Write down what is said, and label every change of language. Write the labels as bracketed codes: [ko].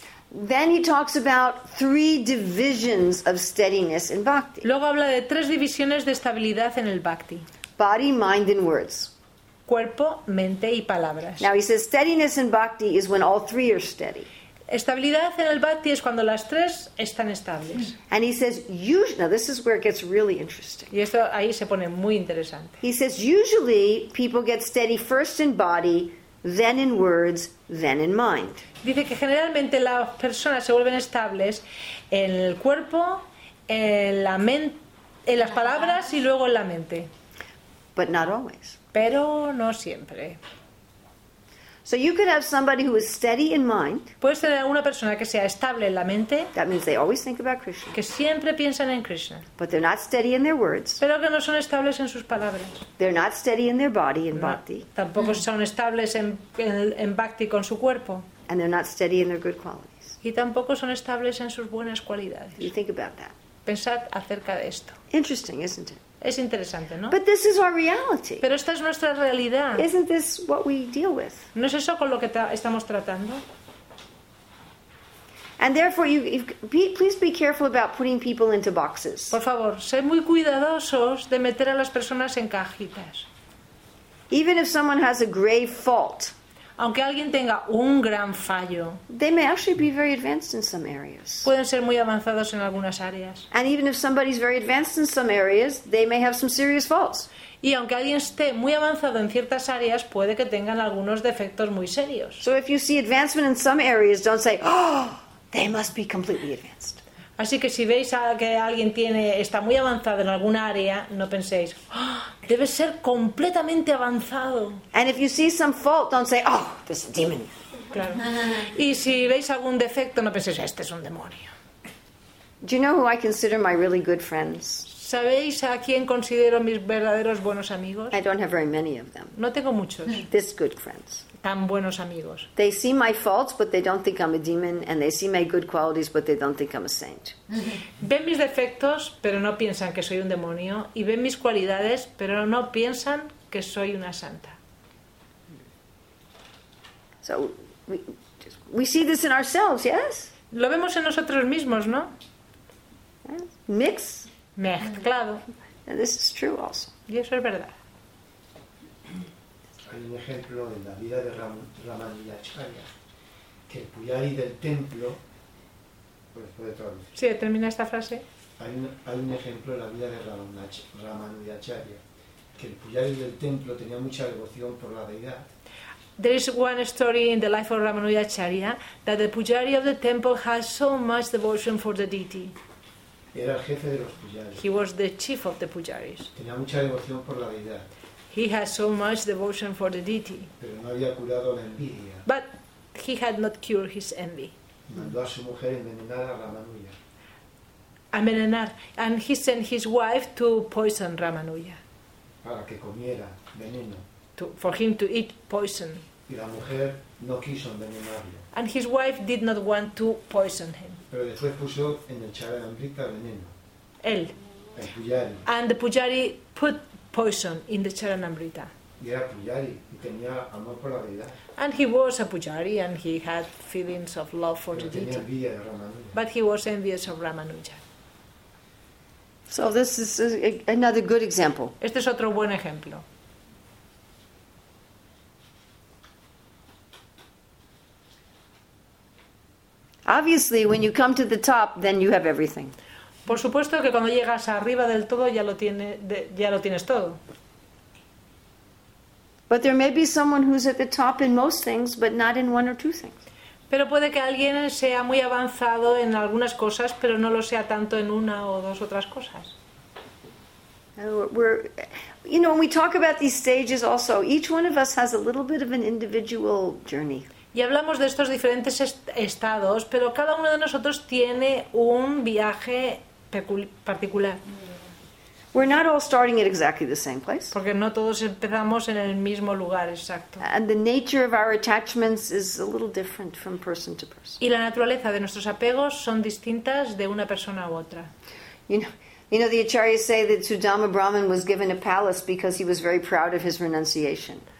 [en] Then he talks about three divisions of steadiness in bhakti. [es] Luego habla de tres divisiones de estabilidad en el bhakti. [en] Body, mind and words. [es] Cuerpo, mente y palabras. [en] Now he says steadiness in bhakti is when all three are steady. [es] Estabilidad en el bhakti es cuando las tres están estables. [en] And he says, now this is where it gets really interesting. [es] Y esto ahí se pone muy interesante. [en] He says, usually people get steady first in body, then in words, then in mind. [es] Dice que generalmente las personas se vuelven estables en el cuerpo, en las palabras y luego en la mente. [en] But not always. [es] Pero no siempre. [en] So you could have somebody who is steady in mind. [es] Puedes tener una persona que sea estable en la mente. [en] That means they always think about Krishna. [es] Que siempre piensan en Krishna. [en] But they're not steady in their words. [es] Pero que no son estables en sus palabras. [en] They're not steady in their body in bhakti. [es] Tampoco son estables en bhakti con su cuerpo. [en] And they're not steady in their good qualities. [es] Y tampoco son estables en sus buenas cualidades. [en] You think about that. [es] Pensad acerca de esto. [en] Interesting, isn't it? [es] Es interesante, ¿no? [en] But this is our reality. [es] Pero esta es nuestra realidad. [en] Isn't this what we deal with? [es] ¿No es eso con lo que estamos tratando? [en] And therefore, please be careful about putting people into boxes. [es] Por favor, sé muy cuidadosos de meter a las personas en cajitas. [en] Even if someone has a grave fault, [es] aunque alguien tenga un gran fallo, [en] they may actually be very advanced in some areas. [es] Pueden ser muy avanzados en algunas áreas. [en] And even if somebody's very advanced in some areas, they may have some serious faults. [es] Y aunque alguien esté muy avanzado en ciertas áreas, puede que tengan algunos defectos muy serios. [en] So if you see advancement in some areas, don't say, "Oh, they must be completely advanced." [es] Así que si veis que alguien está muy avanzado en alguna área, no penséis, "Oh, debe ser completamente avanzado." [en] And if you see some fault, don't say, "Oh, this is a demon." [es] Claro. Y si veis algún defecto, no penséis, "Este es un demonio." [en] Do you know who I consider my really good friends? [es] ¿Sabéis a quién considero mis verdaderos buenos amigos? [en] I don't have very many of them. [es] No tengo muchos. [en] This good friends. [es] Tan buenos amigos. [en] They see my faults, but they don't think I'm a demon, and they see my good qualities, but they don't think I'm a saint. [es] Ven mis defectos, pero no piensan que soy un demonio, y ven mis cualidades, pero no piensan que soy una santa. [en] So we see this in ourselves, yes? [es] Lo vemos en nosotros mismos, ¿no? [en] Mix. [es] Mezclado. [en] And this is true also. [es] Y eso es verdad. Hay un ejemplo en la vida de Ramanujacharya, que el puyari del templo, pues puede traducir. Sí, termina esta frase. Hay un ejemplo en la vida de Ramanujacharya, que el puyari del templo tenía mucha devoción por la deidad. [en] There is one story in the life of Ramanujacharya that the puyari of the temple has so much devotion for the deity. [es] Era el jefe de los puyaris. [en] He was the chief of the puyaris. [es] Tenía mucha devoción por la deidad. [en] He had so much devotion for the deity. [es] Pero no había curado la envidia. [en] But he had not cured his envy. [es] Mandó a su mujer envenenar a Ramanuja. Envenenar. [en] And he sent his wife to poison Ramanuja. [es] Para que comiera veneno. [en] For him to eat poison. [es] Y la mujer no quiso envenenarlo. [en] And his wife did not want to poison him. [es] Pero después puso en el charanamrita veneno. Él. El puyari. [en] And the puyari put poison in the charanamrita. [es] Y era puyari, y tenía amor por la deidad. [en] And he was a puyari and he had feelings of love for the deity. [es] Envidia de Ramanuja. [en] But he was envious of Ramanuja. So this is another good example. [es] Este es otro buen ejemplo. [en] Obviously, when you come to the top, then you have everything. [es] Por supuesto que cuando llegas arriba del todo ya lo tienes todo. [en] But there may be someone who's at the top in most things, but not in one or two things. [es] Pero puede que alguien sea muy avanzado en algunas cosas, pero no lo sea tanto en una o dos otras cosas. [en] You know, when we talk about these stages also, each one of us has a little bit of an individual journey. [es] Y hablamos de estos diferentes estados, pero cada uno de nosotros tiene un viaje particular. [en] We're not all starting at exactly the same place. [es] Porque no todos empezamos en el mismo lugar, exacto. [en] And the nature of our attachments is a little different from person to person. [es] Y la naturaleza de nuestros apegos son distintas de una persona a otra. [en] You know, the acharyas say that Sudama Brahman was given a palace because he was very proud of his renunciation.